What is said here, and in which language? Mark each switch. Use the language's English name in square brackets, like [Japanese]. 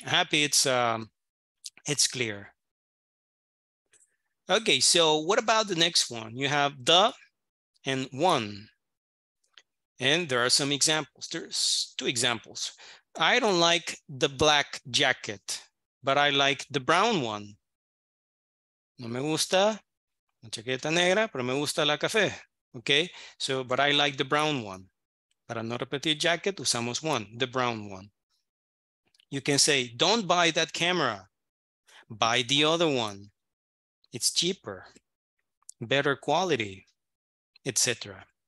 [English] Happy it's clear. Okay. So what about the next one? You have the and one. And there are some examples. There's two examples. I don't like the black jacket, but I like the brown one. [Spanish] No me gusta la chaqueta negra, pero me gusta la café. [English] Okay, so, but I like the brown one. [Spanish] Para no repetir [English] jacket, [Spanish] usamos [English] one, the brown one. You can say, don't buy that camera. Buy the other one. It's cheaper, better quality, etc.